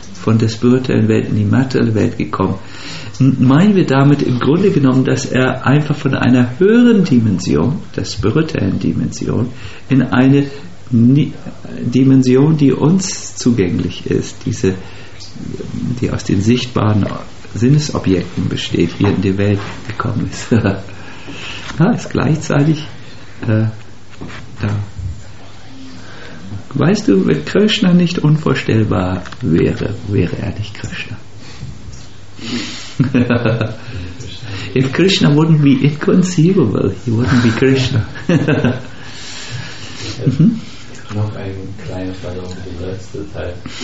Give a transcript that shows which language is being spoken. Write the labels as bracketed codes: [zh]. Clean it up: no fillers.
[de] von der spirituellen Welt in die materielle Welt gekommen. Meinen wir damit im Grunde genommen, dass er einfach von einer höheren Dimension, der spirituellen Dimension, in eine Dimension, die uns zugänglich ist, diese, die aus den sichtbaren Sinnesobjekten besteht, hier in die Welt gekommen ist. Ja, ist gleichzeitig da. Weißt du, wenn Krishna nicht unvorstellbar wäre, wäre er nicht Krishna. [en] If Krishna wouldn't be inconceivable, he wouldn't be Krishna. [de] Noch ein kleiner Verlauf im letzten Teil.